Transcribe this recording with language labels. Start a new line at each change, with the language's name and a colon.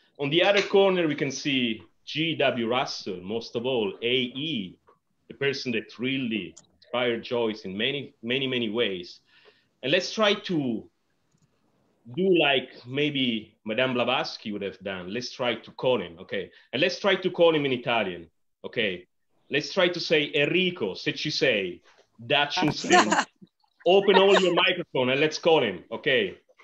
English: On the other corner we can see G.W. Russell, most of all, A.E., the person that really inspired Joyce in many, many, many ways. And let's try to do like maybe Madame Blavatsky would have done. Let's try to call him, okay? And let's try to call him in Italian, okay? Let's try to say,
Italian: Enrico, se ci sei, dacci un segno.
English: Open all your microphone and let's call him, okay?